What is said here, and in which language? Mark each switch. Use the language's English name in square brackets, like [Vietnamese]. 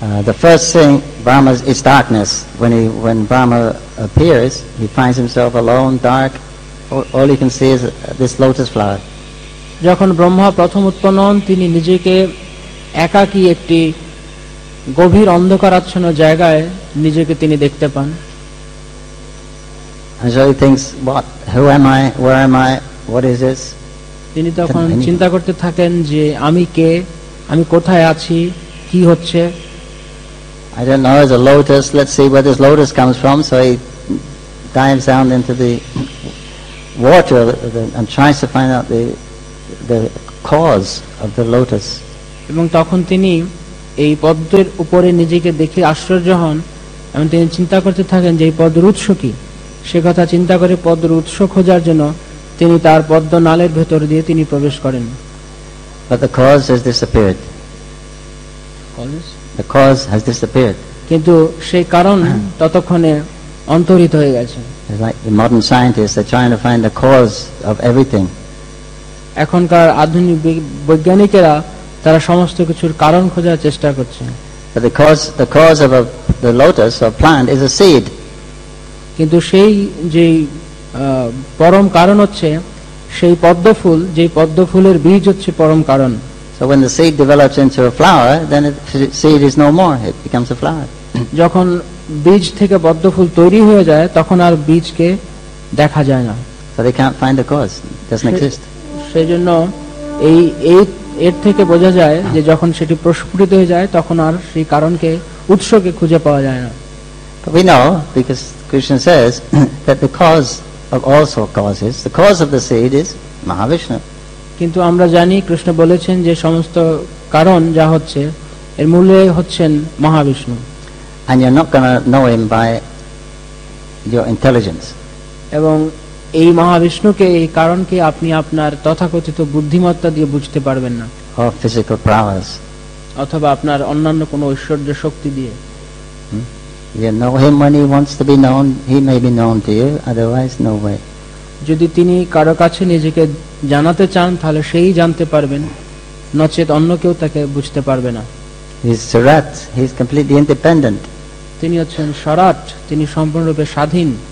[English] The first thing Brahma is darkness. When Brahma appears, he finds himself alone, dark. All he can see is this lotus flower. [Bangla] যখন ব্রহ্মা প্রথম উৎপন্ন হন তিনি নিজেকে একাকী একটি গভীর অন্ধকারাচ্ছন্ন জায়গায় নিজেকে তিনি দেখতে পান. [English] So he thinks, what? Who am I? Where am I? What is this? [Bangla] তিনি তখন চিন্তা করতে থাকেন যে আমি কে, আমি কোথায় আছি, কি হচ্ছে. [English] I don't know, it's a lotus, let's see where this lotus comes from. So he dives down into the water and tries to find out the cause of the lotus. [Bangla] এবং তখন তিনি এই পদ্মের উপরে নিজেকে দেখে আশ্চর্য হন এবং তিনি চিন্তা করতে থাকেন যে এই পদ্মের উৎস কি. সে কথা চিন্তা করে পদ্মের উৎস খোঁজার জন্য তিনি তার পদ্ম নালের ভেতর দিয়ে তিনি প্রবেশ করেন. [English] But the cause has disappeared. The cause has disappeared. [Bangla] কিন্তু সেই কারণ ততক্ষণে অন্তরিত হয়ে গেছে. [English] It's like the modern scientists are trying to find the cause of everything. [Bangla] এখনকার আধুনিক বৈজ্ঞানিকেরা তারা সমস্ত কিছুর কারণ খোঁজার চেষ্টা করছে. [English] But the cause of the lotus or plant is a seed. [Bangla] কিন্তু সেই যে পরম কারণ হচ্ছে সেই পদ্মফুল, যে পদ্মফুলের বীজ হচ্ছে পরম কারণ. [English] So when the seed develops into a flower, then the seed is no more, it becomes a flower. [Bangla] যখন বীজ থেকে পদ্মফুল তৈরি হয়ে যায় তখন আর বীজকে দেখা যায় না. [English] So they can't find the cause, it doesn't exist. [Bangla] সেজন্য এই এর থেকে বোঝা যায় যে যখন সেটি প্রস্ফুটিত হয়ে যায় তখন আর সেই কারণকে উৎসকে খুঁজে পাওয়া যায় না. [English] We know, because Krishna says that the cause of all so causes, the cause of the seed is Mahavishnu. [Bangla] কিন্তু আমরা জানি কৃষ্ণ বলেছেন যে সমস্ত কারণ যা হচ্ছে এর মূলে হচ্ছেন Mahavishnu. [English] And you're not going to know him by your intelligence. [Bangla] এবং এই মহাবিষ্ণুকে এই কারণকে আপনি আপনার তথাকথিত বুদ্ধিমত্তা দিয়ে বুঝতে পারবেন না. [English] Or physical prowess. [Bangla] অথবা আপনার অন্যান্য কোনো ঐশ্বর্য শক্তি দিয়ে. [English] You know him when he wants to be known, he may be known to you, otherwise no way. [Bangla] যদি তিনি কারো কাছে নিজেকে জানাতে চান তাহলে সেই জানতে পারবেন, নচেত অন্য কেউ তাকে বুঝতে পারবে না। [English] He is completely independent. [Bangla] তিনি হচ্ছেন সরাত, তিনি সম্পূর্ণরূপে স্বাধীন।